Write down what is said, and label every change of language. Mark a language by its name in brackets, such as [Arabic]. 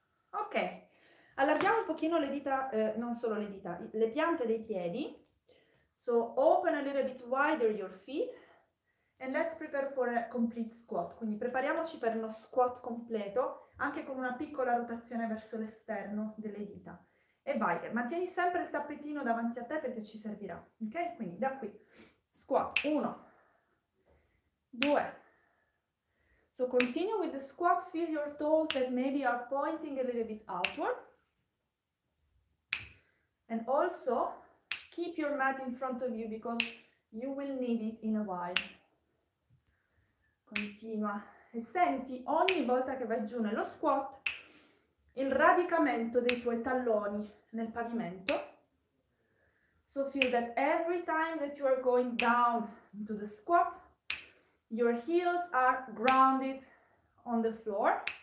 [Italian] Ok, allarghiamo un pochino le dita, non solo le dita, le piante dei piedi. [English] So open a little bit wider your feet. And let's prepare for a complete squat. [Italian] Quindi prepariamoci per uno squat completo, anche con una piccola rotazione verso l'esterno delle dita. E vai, mantieni sempre il tappetino davanti a te perché ci servirà. Ok? Quindi da qui. Squat. 1, 2. [English] So continue with the squat. Feel your toes that maybe are pointing a little bit outward. And also keep your mat in front of you because you will need it in a while. [Italian] Continua e senti ogni volta che vai giù nello squat il radicamento dei tuoi talloni nel pavimento. [English] So feel that every time that you are going down into the squat, your heels are grounded on the floor.